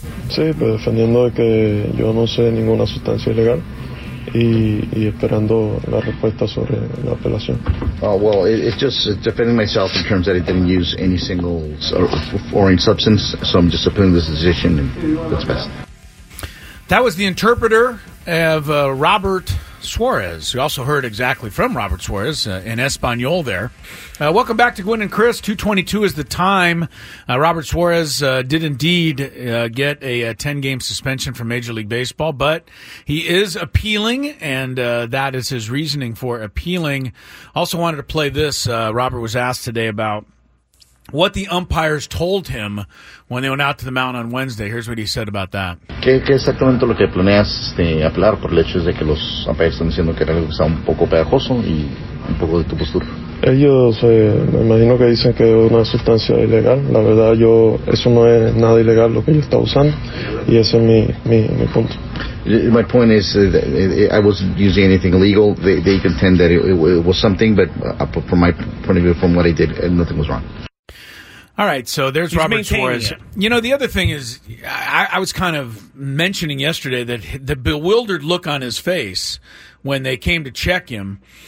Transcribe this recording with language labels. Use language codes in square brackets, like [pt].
[es] Sí, pues defendiendo de que yo no usé ninguna sustancia ilegal y esperando la respuesta sobre la apelación. [en] Oh, well, it's just defending myself in terms that I didn't use any single foreign substance, so I'm just appealing this decision and what's best. That was the interpreter of Robert Suarez. You also heard exactly from Robert Suarez in Espanol there. Welcome back to Gwynn and Chris. 2:22 is the time. Robert Suarez did indeed get a 10-game suspension from Major League Baseball, but he is appealing, and that is his reasoning for appealing. Also wanted to play this. Robert was asked today about what the umpires told him when they went out to the mound on Wednesday. Here's what he said about that. [es] ¿Qué exactamente lo que planeas apelar por el hecho de que los umpires están diciendo que era algo que estaba un poco pegajoso y un poco de tu postura? Ellos me imagino que dicen que es una sustancia ilegal. La verdad, yo eso no es nada ilegal lo que yo estaba usando y ese es mi punto. [en] My point is that I wasn't using anything illegal. They contend that it was something, but from my point of view, from what I did, nothing was wrong. All right, so there's He's Robert Suarez. It. You know, the other thing is, I was kind of mentioning yesterday that the bewildered look on his face when they came to check him.